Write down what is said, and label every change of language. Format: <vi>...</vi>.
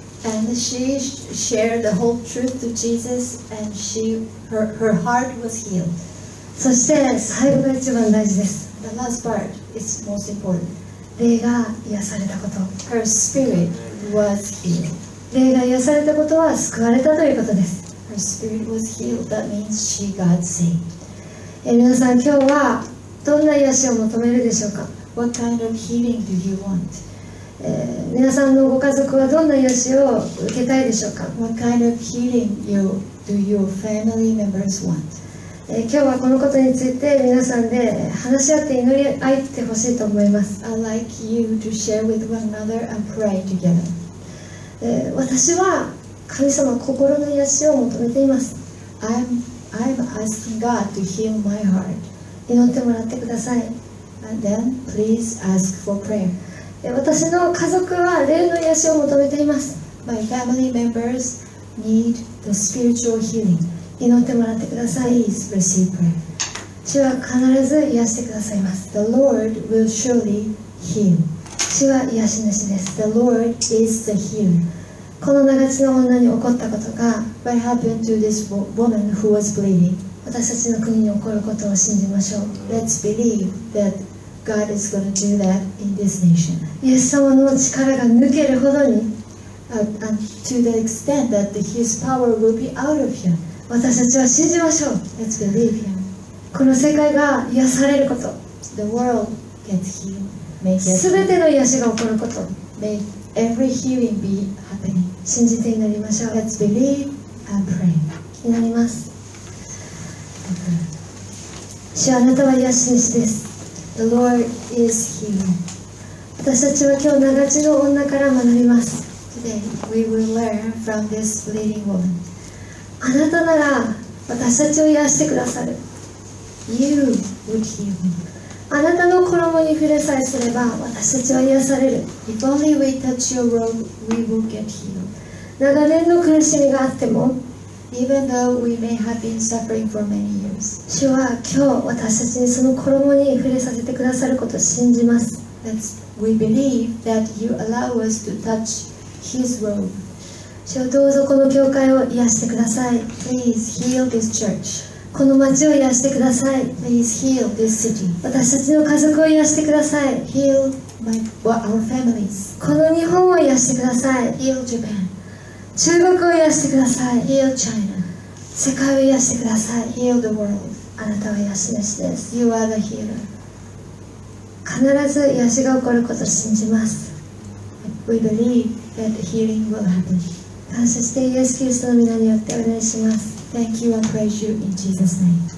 <en>And she shared the whole truth to Jesus and she, her heart was healed.</en> <ja>そして最後が一番大事です。</ja> <en>The last part is most important.</en> <ja>霊が癒されたこと。</ja> <en>Her spirit was healed.</en> <ja>霊が癒されたことは救われたということです。</ja> <en>Her spirit was healed. That means she got saved.</en> <ja>皆さん今日はどんな癒しを求めるでしょうか。</ja> <en>What kind of healing do you want?</en> <ja>皆さんのご家族はどんな癒しを受けたいでしょうか。</ja> <en>What kind of healing do your family members want?</en> <ja>今日はこのことについて皆さんで話し合って祈り合ってほしいと思います。</ja> <en>I'd like you to share with one another and pray together.</en> <ja>私は神様心の癒しを求めています。</ja> <en>I'm asking God to heal my heart.</en> <ja>祈ってもらってください。</ja> <en>And then please ask for prayer.</en> <ja>私の家族は霊の癒しを求めています。</ja> <en>My family members need the spiritual healing.</en> <ja>祈ってもらってください。</ja> <en>Please receive prayer.</en> <ja>主は必ず癒してくださいます。</ja> <en>The Lord will surely heal.</en> <ja>主は癒し主です。</ja> <en>The Lord is the healer.</en> <ja>この長血の女に起こったことが</ja> <en>What happened to this woman who was bleeding?</en> <ja>私たちの国に起こることを信じましょう。</ja> <en>Let's believe that God is going to do that in this nation.</en> <ja>イエス様の力が抜けるほどに</ja> <en>to the extent that his power will be out of him.</en> <ja>私たちは信じましょう。</ja> <en>Let's believe him.</en> <ja>この世界が癒されること、</ja> <en>The world gets healed.</en> <ja>すべての癒しが起こること、</ja> <en>Make every healing be happening.</en> <ja>信じて祈りましょう。</ja> <en>Let's believe and pray.</en> <ja>祈ります。主、あなたは癒し主です。</ja> <en>The Lord is healing.</en> <ja>私たちは今日長血の女から学びます。</ja> <en>Today we will learn from this bleeding woman.</en> <ja>あなたなら私たちを癒してくださる。</ja> <en>You would heal me.</en> <ja>あなたの衣に触れさえすれば私たちは癒される。</ja> <en>If only we touch your robe, we will get healed.</en> <ja>長年の苦しみがあっても</ja> <en>Even though we may have been suffering for many years,</en> <ja>主は今日私たちにその衣に触れさせてくださることを信じます。</ja> <en>We believe that you allow us to touch his robe.</en> <ja>主よ、どうぞこの教会を癒してください。</ja> <en>Please heal this church.</en> <ja>この町を癒してください。</ja> <en>Please heal this city.</en> <ja>私たちの家族を癒してください。</ja> <en>Heal my, what, our families.</en> <ja>この日本を癒してください。</ja> <en>Heal Japan.</en> <ja>中国を癒してください。</ja> <en>Heal China.</en> <ja>世界を癒してください。</ja> <en>Heal the world.</en> <ja>あなたは癒し主です。</ja> <en>You are the healer.</en> <ja>必ず癒しが起こることを信じます。</ja> <en>We believe that healing will happen.</en> <ja>感謝してイエスキリストの皆によってお願いします。</ja> <en>Thank you and praise you in Jesus' name.</en>